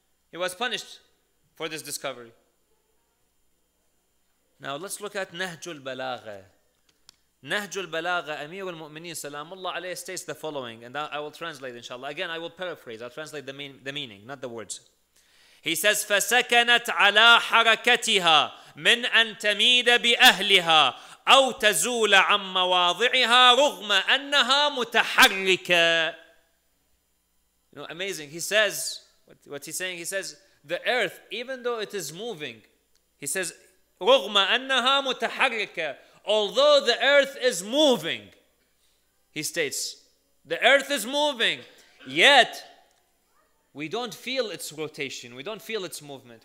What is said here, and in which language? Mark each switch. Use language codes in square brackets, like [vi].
[en] He was punished for this discovery. Now let's look at Nahjul Balagha. [ar] نهج البلاغة أمير المؤمنين سلام الله عليه [en] states the following, and I will translate inshallah. Again, I will paraphrase. I'll translate the meaning, not the words. He says, [ar] فسكنت على حركتها من أن تميد بأهلها أو تزول عن مواضعها رغم أنها متحركة. [en] You know, amazing. He says, what he's saying, he says, the earth, even though it is moving, he says, [ar] رغم أنها متحركة, [en] although the earth is moving, he states, the earth is moving, yet we don't feel its rotation, we don't feel its movement.